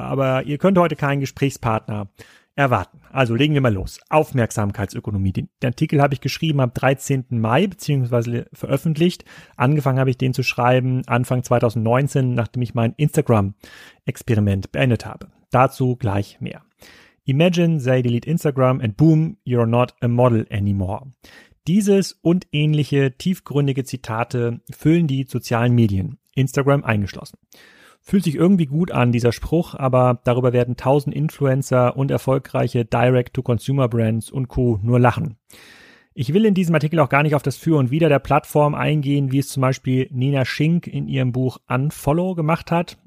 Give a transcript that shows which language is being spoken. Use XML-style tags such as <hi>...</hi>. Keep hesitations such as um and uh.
<de>Aber ihr könnt heute keinen Gesprächspartner erwarten. Also legen wir mal los. Aufmerksamkeitsökonomie. Den Artikel habe ich geschrieben am 13. Mai beziehungsweise veröffentlicht. Angefangen habe ich den zu schreiben Anfang 2019, nachdem ich mein Instagram-Experiment beendet habe. Dazu gleich mehr.</de> <en>Imagine they delete Instagram and boom, you're not a model anymore.</en> <de>Dieses und ähnliche tiefgründige Zitate füllen die sozialen Medien, Instagram eingeschlossen. Fühlt sich irgendwie gut an, dieser Spruch, aber darüber werden tausend Influencer und erfolgreiche Direct-to-Consumer-Brands und Co. nur lachen. Ich will in diesem Artikel auch gar nicht auf das Für und Wider der Plattform eingehen, wie es zum Beispiel Nina Schink in ihrem Buch Unfollow gemacht hat.</de>